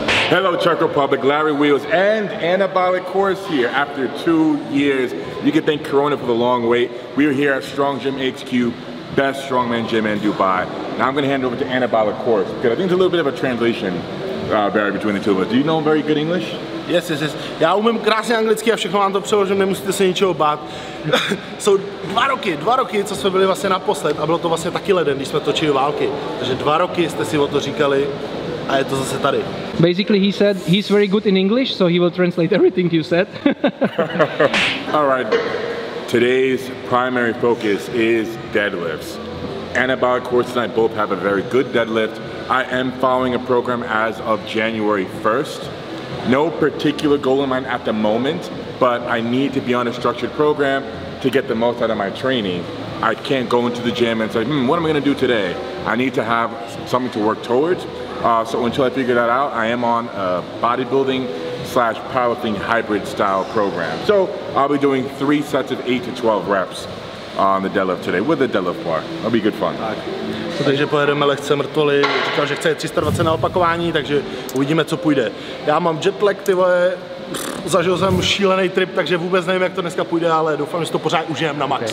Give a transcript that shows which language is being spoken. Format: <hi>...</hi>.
<en>Hello, Charcoal Public, Larry Wheels and Anabolic Course here. After 2 years, you can thank Corona for the long wait. We are here at Strong Gym HQ, best strongman gym in Dubai. Now I'm going to hand over to Anabolic Course, because I think it's a little bit of a translation barrier between the two of us. Do you know very good English? Yes.</en> <cs>Já umím krásně anglicky a všechno vám to přeložím, nemusíte se ničeho bát. Jsou dva roky, co jsme byli vlastně naposled a bylo to vlastně taky leden, když jsme točili války. Takže 2 roky jste si o to říkali. A je to zase tady.</cs> <en>Basically he said he's very good in English, so he will translate everything you said. All right. Today's primary focus is deadlifts. Anabolic Course and I both have a very good deadlift. I am following a program as of January 1st. No particular goal in mind at the moment, but I need to be on a structured program to get the most out of my training. I can't go into the gym and say, what am I going to do today? I need to have something to work towards. So until I figure that out, I am on a bodybuilding / powerlifting hybrid style program. So I'll be doing 3 sets of 8 to 12 reps on the deadlift today with the deadlift bar. It'll be good fun.</en> <cs>Tak. So, takže pojedeme lehce mrtvoli. Říkal, že chce 320 na opakování, takže uvidíme, co půjde. Já mám jetlag, ty vole. Zažil jsem šílený trip, takže vůbec nevím, jak to dneska půjde, ale doufám, že to pořád užijem na max.</cs>